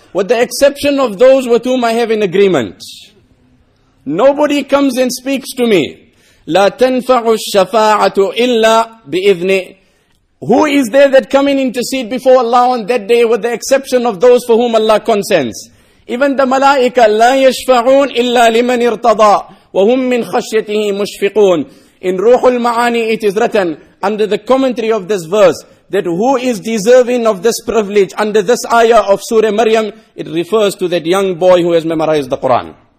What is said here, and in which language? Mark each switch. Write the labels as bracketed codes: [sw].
[en] With the exception of those with whom I have an agreement. Nobody comes and speaks to me. [ar] La tanfa'u ash-shafa'atu illa bi'idhni. [en] Who is there that come and intercede before Allah on that day with the exception of those for whom Allah consents? Even the malaika, [ar] لا يشفعون إلا لمن ارتضى وهم من خشيته مشفقون. [en] In روح المعاني it is written under the commentary of this verse that who is deserving of this privilege under this ayah of Surah Maryam, it refers to that young boy who has memorized the Quran.